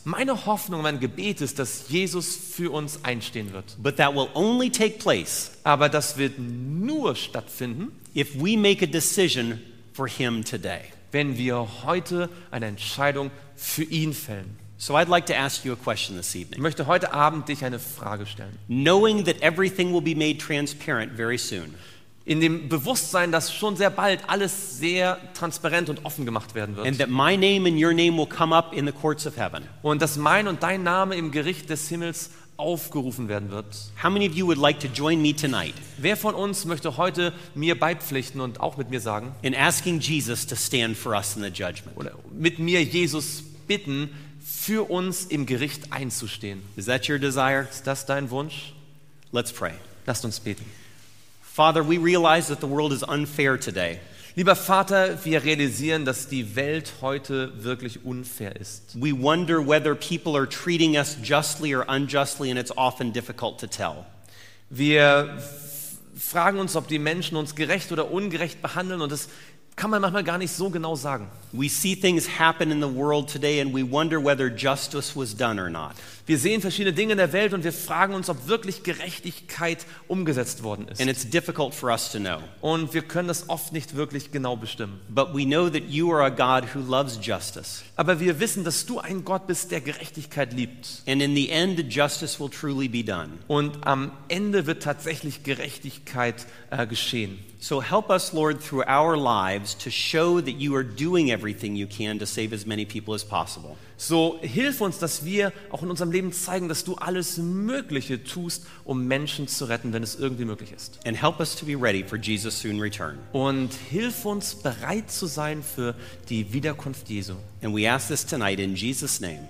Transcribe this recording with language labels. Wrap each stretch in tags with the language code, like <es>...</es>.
<de>Meine Hoffnung, mein Gebet ist, dass Jesus für uns einstehen wird.</de> <en>But that will only take place.</en> <de>Aber das wird nur stattfinden,</de> <en>if we make a decision for him today.</en> <de>Wenn wir heute eine Entscheidung für ihn fällen.</de> <en>So I'd like to ask you a question this evening.</en> <de>Ich möchte heute Abend dich eine Frage stellen.</de> <en>Knowing that everything will be made transparent very soon.</en> <de>In dem Bewusstsein, dass schon sehr bald alles sehr transparent und offen gemacht werden wird.</de> <en>And that my name and your name will come up in the courts of heaven.</en> <de>Und dass mein und dein Name im Gericht des Himmels aufgerufen werden wird.</de> <en>How many of you would like to join me tonight?</en> <de>Wer von uns möchte heute mir beipflichten und auch mit mir sagen?</de> <en>In asking Jesus to stand for us in the judgment.</en> <de>Oder mit mir Jesus bitten, für uns im Gericht einzustehen.</de> <en>Is that your desire?</en> <de>Ist das dein Wunsch?</de> <en>Let's pray.</en> <de>Lasst uns beten.</de> <en>Father, we realize that the world is unfair today.</en> <de>Lieber Vater, wir realisieren, dass die Welt heute wirklich unfair ist.</de> <en>We wonder whether people are treating us justly or unjustly, and it's often difficult to tell.</en> <de>Wir fragen uns, ob die Menschen uns gerecht oder ungerecht behandeln, und das kann man manchmal gar nicht so genau sagen.</de> <en>We see things happen in the world today and we wonder whether justice was done or not.</en> <de>Wir sehen verschiedene Dinge in der Welt und wir fragen uns, ob wirklich Gerechtigkeit umgesetzt worden ist.</de> <en>And it's difficult for us to know.</en> <de>Und wir können das oft nicht wirklich genau bestimmen.</de> <en>But we know that you are a God who loves justice.</en> <de>Aber wir wissen, dass du ein Gott bist, der Gerechtigkeit liebt.</de> <en>And in the end justice will truly be done.</en> <de>Und am Ende wird tatsächlich Gerechtigkeit geschehen.</de> <en>So help us, Lord, through our lives to show that you are doing everything you can to save as many people as possible.</en> <de>So hilf uns, dass wir auch in unserem Leben zeigen, dass du alles Mögliche tust, um Menschen zu retten, wenn es irgendwie möglich ist.</de> <en>And help us to be ready for Jesus' soon return.</en> <de>Und hilf uns, bereit zu sein für die Wiederkunft Jesu.</de> <en>And we ask this tonight in Jesus' name.</en>